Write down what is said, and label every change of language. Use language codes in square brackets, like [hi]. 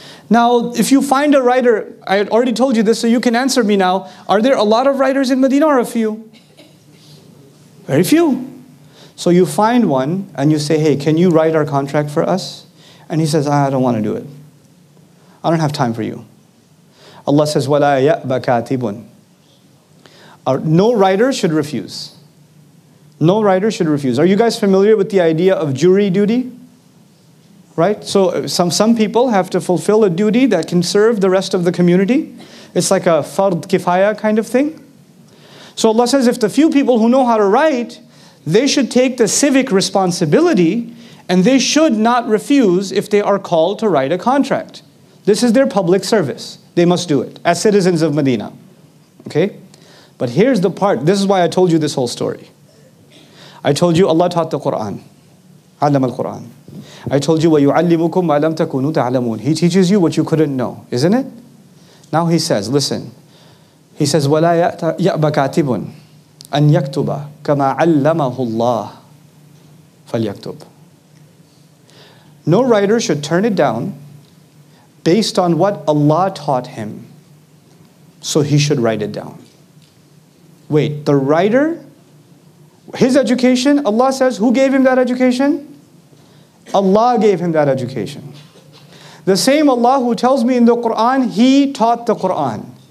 [en] Now, if you find a writer, I had already told you this, so you can answer me now. Are there a lot of writers in Medina or a few? Very few. So you find one and you say, hey, can you write our contract for us? And he says, I don't want to do it. I don't have time for you. Allah says, [ar] وَلَا يَأْبَ كَاتِبٌ. [en] No writer should refuse. No writer should refuse. Are you guys familiar with the idea of jury duty? Right? So some people have to fulfill a duty that can serve the rest of the community. It's like a fard kifaya kind of thing. So Allah says, if the few people who know how to write, they should take the civic responsibility and they should not refuse if they are called to write a contract. This is their public service. They must do it as citizens of Medina. Okay? But here's the part. This is why I told you this whole story. I told you Allah taught the Quran. [ar] Allama al-Quran. [en] I told you, [ar] وَيُعَلِّمُكُمْ مَا لَمْ تَكُونُوا تَعْلَمُونَ. [en] He teaches you what you couldn't know, isn't it? Now he says, listen. He says, [ar] وَلَا يَأْبَ كَاتِبٌ أَنْ يَكْتُبَ كَمَا عَلَّمَهُ اللَّهُ فَلْيَكْتُبْ. [en] No writer should turn it down based on what Allah taught him. So he should write it down. Wait, the writer, his education, Allah says, who gave him that education? Allah gave him that education. The same Allah who tells me in the Quran, he taught the Quran.